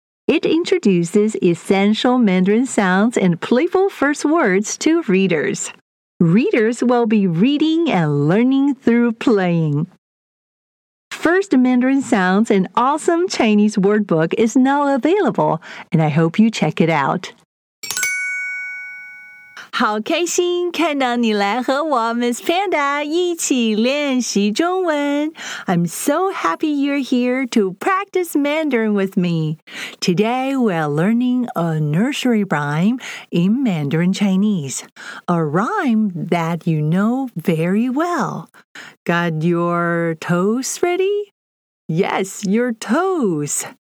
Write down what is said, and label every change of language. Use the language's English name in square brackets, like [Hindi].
[English] It introduces essential Mandarin sounds and playful first words to readers. Readers will be reading and learning through playing. First Mandarin Sounds, an awesome Chinese word book, is now available, and I hope you check it out. [Chinese] 好开心看到你来和我, Miss Panda, 一起练习中文. [English] I'm so happy you're here to practice Mandarin with me. Today, we're learning a nursery rhyme in Mandarin Chinese. A rhyme that you know very well. Got your toes ready? Yes, your toes.